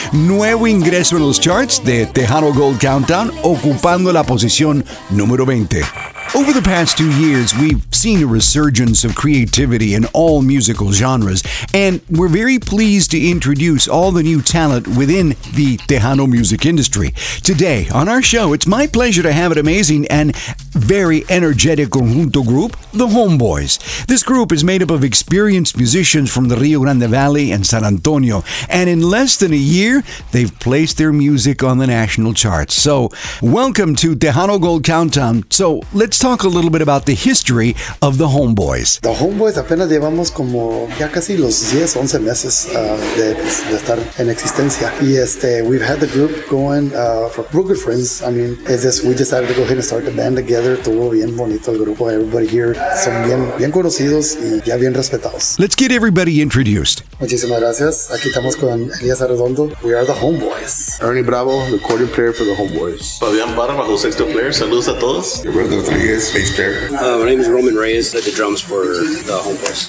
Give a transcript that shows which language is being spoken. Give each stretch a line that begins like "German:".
Spanish: Nuevo ingreso en los charts de Tejano Gold Countdown, ocupando la posición número 20.
English: Over the past 2 years, we've seen a resurgence of creativity in all musical genres, and we're very pleased to introduce all the new talent within the Tejano music industry. Today, on our show, it's my pleasure to have an amazing and very energetic conjunto group, the Homeboys. This group is made up of experienced musicians from the Rio Grande Valley and San Antonio, and in less than a year, they've placed their music on the national charts. So, welcome to Tejano Gold Countdown. So, let's talk a little bit about the history of the Homeboys.
Spanish: The Homeboys apenas llevamos como ya casi los 10, 11 meses de estar en existencia.
English: Y we've had the group going for real good friends. I mean, we decided to go ahead and start the band together.
Spanish: Estuvo bien bonito el grupo.
English: Everybody here
Spanish: son bien, bien conocidos y ya bien respetados.
English: Let's get everybody introduced.
Spanish: Muchísimas gracias. Aquí estamos con Elías Arredondo.
English: We are the Homeboys. Ernie Bravo, recording player for the Homeboys.
Spanish: Fabián Barra, bajo sexto player. Saludos a todos.
English: My name is Roman Reyes, the drums for the Homeboys.